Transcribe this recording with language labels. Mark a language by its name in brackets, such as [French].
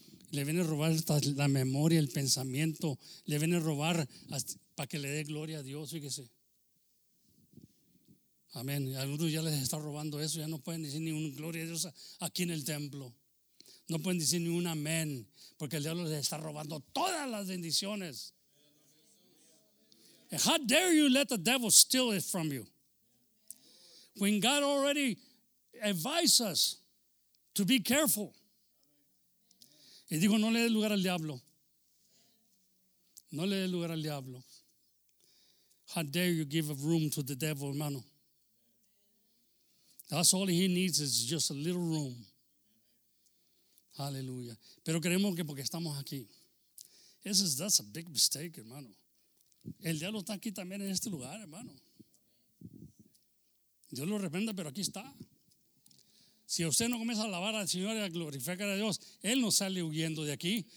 [Spanish] Le viene a robar hasta la memoria, el pensamiento. Le viene a robar para que le dé gloria a Dios, fíjese. Amén. Y algunos ya les está robando eso, ya no pueden decir ni un gloria a Dios aquí en el templo. No pueden decir ni un amén, porque el diablo les está robando todas las bendiciones. [English] How dare you let the devil steal it from you? When God already advised us to be careful. [Spanish] Y digo, no le dé lugar al diablo. No le dé lugar al diablo. [English] How dare you give a room to the devil, [Spanish] hermano? [English] That's all he needs is just a little room. [Spanish] Aleluya. Pero creemos que porque estamos aquí. [English] That's a big mistake, [Spanish] hermano. El diablo está aquí también en este lugar, hermano. Dios lo reprenda, pero aquí está. Si usted no comienza a alabar al Señor y a glorificar a Dios, Él no sale huyendo de aquí.